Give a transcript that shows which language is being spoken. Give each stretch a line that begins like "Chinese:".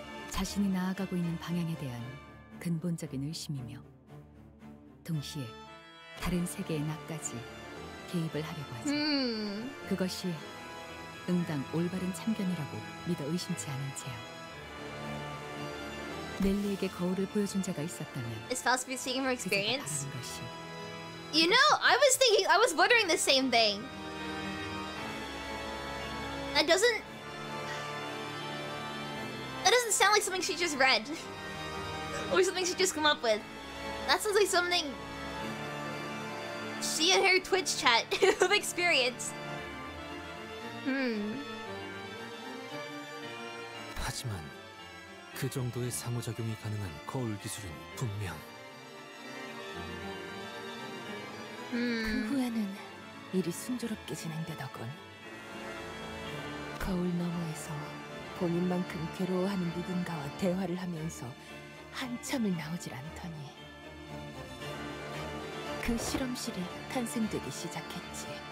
Korean: 자신이 나아가고 있는 방향에 대한 근본적인 의심이며 동시에 다른 세계의 나까지 개입을 하려고 하죠. 그것이 응당 올바른 참견이라고 믿어 의심치 않은 채요. 넬리에게 거울을 보여준 자가 있었다면
English: It's possible seeing her experience. You know, I was wondering the same thing. That doesn't sound like something she just read. Or something she just come up with. That sounds like something she and her Twitch chat have experienced. Hmm.
Korean: 하지만 그 정도의 상호작용이 가능한 거울 기술은 분명. 그 후에는 일이 순조롭게 진행되더군. 거울 너머에서 본인만큼 괴로워하는 누군가와 대화를 하면서 한참을 나오질 않더니 그 실험실이 탄생되기 시작했지.